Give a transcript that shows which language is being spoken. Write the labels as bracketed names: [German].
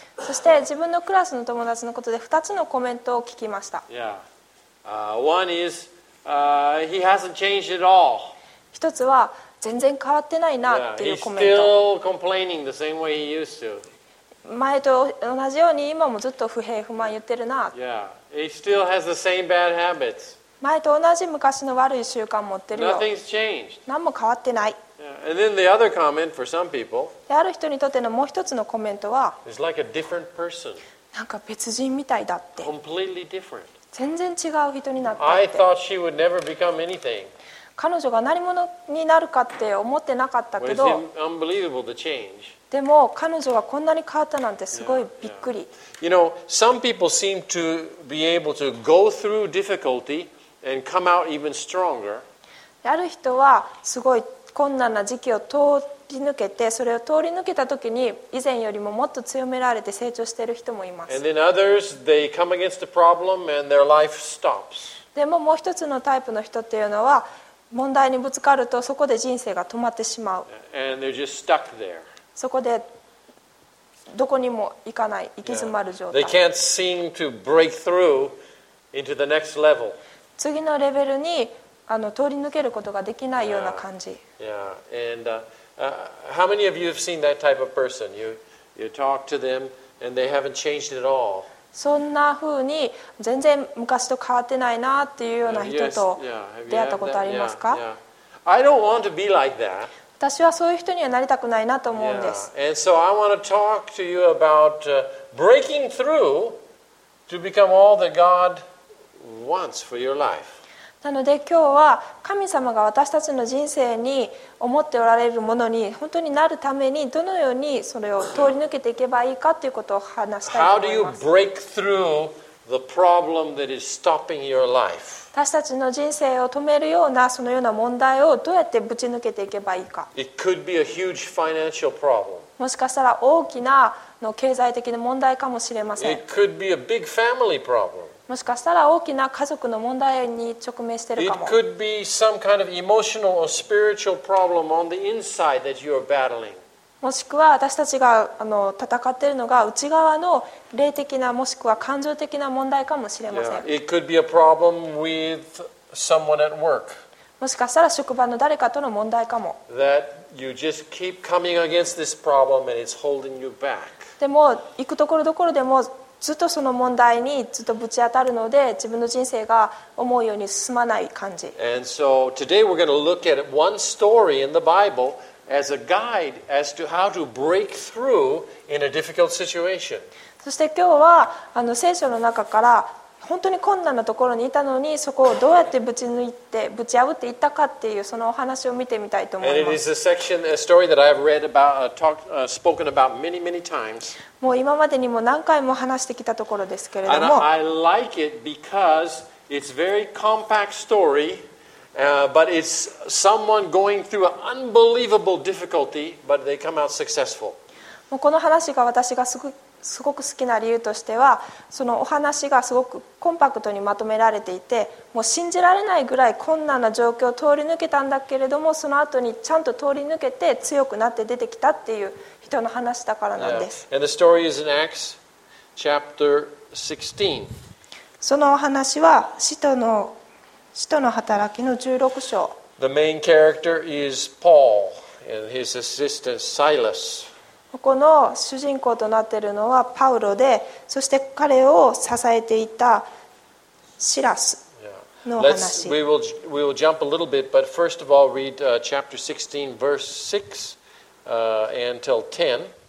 [Japanese] そして自分のクラスの友達のことで2つのコメントを聞きました。 [English] Yeah. One is, he hasn't changed at all. [Japanese] 一つは全然変わってないなっていうコメント。 [English] He's still complaining the same way he used to. [Japanese] 前と同じように今もずっと不平不満言ってるな。 [English] Yeah. He still has the same bad habits. [Japanese] 前と同じ昔の悪い習慣持ってるよ。 [English] Nothing's changed. [Japanese] 何も変わってない。 [English] And then the other comment for some people. [Japanese] ある人にとってのもう一つのコメントは、 [English] is like a different person. [Japanese] なんか別人みたいだって。 [English] Completely different. [Japanese] 全然違う人になったって。 [English] I thought she would never become anything. [Japanese] 彼女が何者になるかって思ってなかったけど。 [English] But it's unbelievable the change. [Japanese] でも彼女がこんなに変わったなんてすごいびっくり。 [English] Yeah, yeah. You know, some people seem to be able to go through difficulty and come out even stronger. [Japanese] ある人はすごい。困難な時期を通り抜けてそれを通り抜けた時に以前よりももっと強められて成長している人もいます。 [English] And then others, they come against the problem and their life stops. [Japanese] でももう一つのタイプの人っていうのは問題にぶつかるとそこで人生が止まってしまう。 [English] And they're just stuck there. [Japanese] そこでどこにも行かない行き詰まる状態。 [English] Yeah. They can't seem to break through into the next level. [Japanese] 次のレベルに通り抜けることができないような感じ。 [English] Yeah. And how many of you have seen that type of person? You talk to them and they haven't changed at all. [Japanese] そんな風に全然昔と変わってないなっていうような人と出会ったことありますか？ [English] I don't want to be like that. [Japanese] 私はそういう人にはなりたくないなと思うんです。 [English] Yeah. And so I want to talk to you about breaking through to become all that God wants for your life. [Japanese] なので今日は神様が私たちの人生に思っておられるものに本当になるためにどのようにそれを通り抜けていけばいいかということを話したいと思います。 [English] How do you break through the problem that is stopping your life? [Japanese] 私たちの人生を止めるようなそのような問題をどうやってぶち抜けていけばいいか。 [English] It could be a huge financial problem. [Japanese] もしかしたら大きなの経済的な問題かもしれません。 [English] It could be a big family problem. [Japanese] もしかしたら大きな家族の問題に直面しているかも。 [English] It could be some kind of emotional or spiritual problem on the inside that you are battling. [Japanese] もしくは私たちが戦っているのが内側の霊的なもしくは感情的な問題かもしれません。 [English] Yeah. It could be a problem with someone at work. [Japanese] もしかしたら職場の誰かとの問題かも。 [English] That you just keep coming against this problem and it's holding you back. [Japanese] でも行くところどころでも。ずっとその問題にずっとぶち当たるので自分の人生が思うように進まない感じ。 [English] And so today we're going to look at one story in the Bible as a guide as to how to break through in a difficult situation. [Japanese] そして今日は聖書の中から本当に困難なところにいたのにそこをどうやってぶち破っていったかっていうそのお話を見てみたいと思います。 [English] And it is a section, a story that I have read about, spoken about many, many times. [Japanese] もう今までにも何回も話してきたところですけれども、 [English] I like it because it's very compact story, but it's someone going through an unbelievable difficulty, but they come out successful. [Japanese] もうこの話が私がすごく好きな理由としては、そのお話がすごくコンパクトにまとめられていて、もう信じられないぐらい困難な状況を通り抜けたんだけれども、その後にちゃんと通り抜けて強くなって出てきたっていう。人の話だからなんです。 [English] Yeah. And the story is in Acts chapter 16. [Japanese] そのお話は使徒の働きの16章。 [English] The main character is Paul and his assistant Silas. [Japanese] ここの主人公となっているのはパウロで、そして彼を支えていたシラスの話。 [English] We will jump a little bit, but first of all, read chapter 16, verse 6, until 10.